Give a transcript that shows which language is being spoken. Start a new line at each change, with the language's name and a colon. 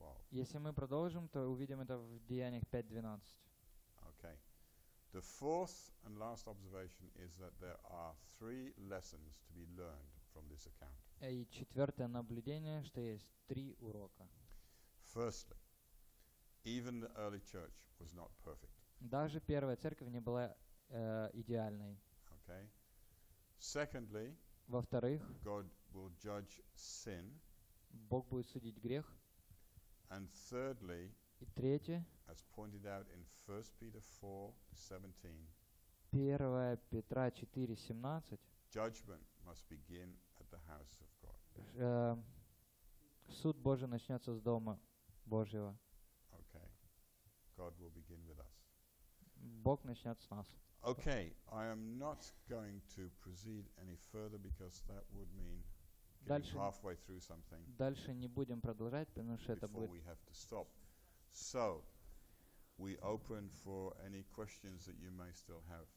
Russian: Если мы продолжим, то увидим это в Деяниях 5.12.
English: Okay. The fourth and last observation is that there are three lessons to be learned from this account.
Russian: И четвертое наблюдение, что есть три урока.
English: Firstly, even the early church was not perfect.
Russian: Даже первая церковь не была идеальной.
English: Okay. Secondly,
Russian: во-вторых,
English: God will judge sin.
Russian: Бог будет судить грех.
English: And thirdly,
Russian: и третье,
English: as pointed out in 1 Peter 4:17,
Russian: 1 Петра 4:17,
English: judgment must begin at the house of God.
Russian: Суд Божий начнется с дома Божьего.
English: Okay. God will begin with us.
Russian: Бог начнет с нас.
English: Okay, I am not going to proceed any further because that would mean getting halfway through something.
Russian: Дальше не будем продолжать, потому что это будет.
English: Before we have to stop. So, we open for any questions that you may still have.